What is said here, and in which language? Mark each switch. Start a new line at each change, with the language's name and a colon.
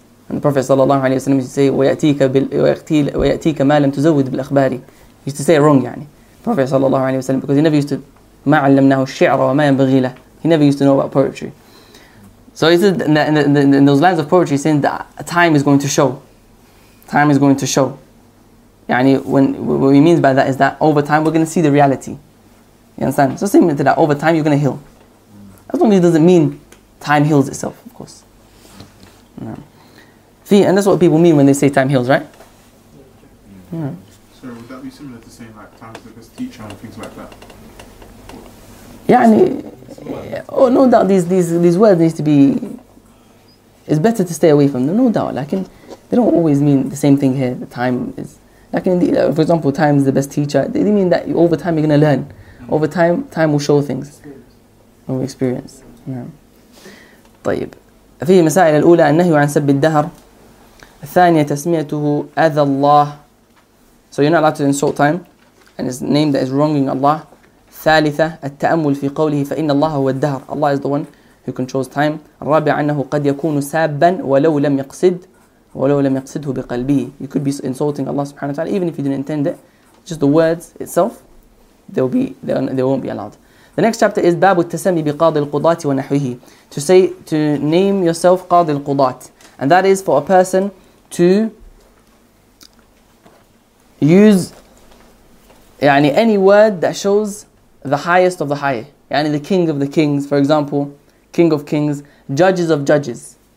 English: And the Prophet صلى الله عليه وسلم used to say,
Arabic: ويأتيك ما لم تزود بالأخبار.
English: He used to say it wrong, يعني. Prophet sallallahu alayhi wa sallam, because he never used to
Arabic: ما علمناه الشعر وما ينبغي له.
English: He never used to know about poetry. So he said in those lines of poetry, he's saying that time is going to show. Time is going to show. يعني what he means by that is that over time we're going to see the reality. You understand? So similar to that, over time you're going to heal. As long as it doesn't mean time heals itself, of course. No. See, and that's what people mean when they say time heals, right? Yeah. Similar to saying like times because teacher and things like that. Yeah, no doubt these words need to be it's better to stay away from them, no doubt. Like, they don't always mean the same thing here. The time is, like, indeed, for example, time is the best teacher. They mean that over time you're going to learn. Over time, time will show things. Over experience.
Arabic: طيب في مسائل الأولى النهي عن سب الدهر الثانية تسميته أذى الله.
English: So you're not allowed to insult time, and his name that is wronging Allah.
Arabic: ثالثة التأمل في قوله فإن الله هو الدهر.
English: Allah is the one who controls time.
Arabic: الرابع أنه قد يكون سابا ولو لم يقصد ولو لم يقصده بقلبه.
English: You could be insulting Allah subhanahu wa ta'ala even if you didn't intend it. Just the words itself, they won't be allowed. The next chapter is
Arabic: باب التسمي بقاضي القضاة ونحوه.
English: To say, to name yourself
Arabic: قاضي القضاة.
English: And that is for a person to use يعني any word that shows the highest of the high. يعني the king of the kings, for example, king of kings, judges of judges.